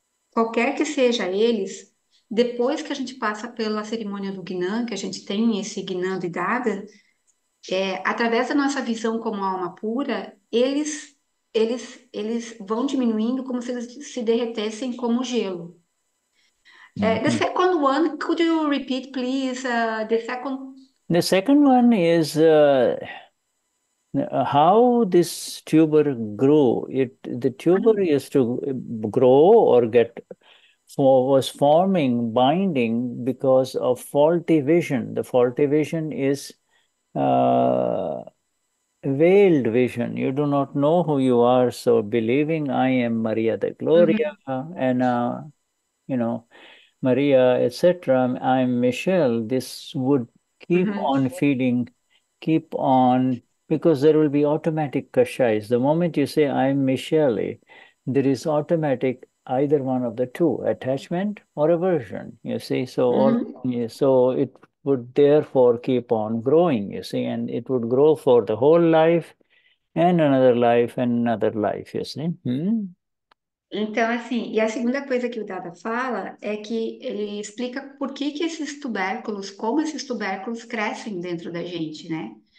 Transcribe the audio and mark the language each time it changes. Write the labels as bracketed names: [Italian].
[Portuguese] Qualquer que seja eles, depois que a gente passa pela cerimônia do Gnan, que a gente tem esse Gnan de Dada, através da nossa visão como alma pura, eles vão diminuindo como se eles se derretessem como gelo. [English] The second one, could you repeat, please? The second one is how this tuber grew. The tuber used to grow or get was forming, binding because of faulty vision. The faulty vision is veiled vision. You do not know who you are, so believing I am Maria the Gloria, and you know, Maria, etc. I'm Michelle. This would keep on feeding, keep on, because there will be automatic kashais. The moment you say I'm Michelle, there is automatic either one of the two, attachment or aversion, you see. So so it would therefore keep on growing, you see, and it would grow for the whole life and another life, you see. [Portuguese] Então, assim, e a segunda coisa que o Dada fala é que ele explica por que que esses tubérculos, como esses tubérculos crescem dentro da gente, né?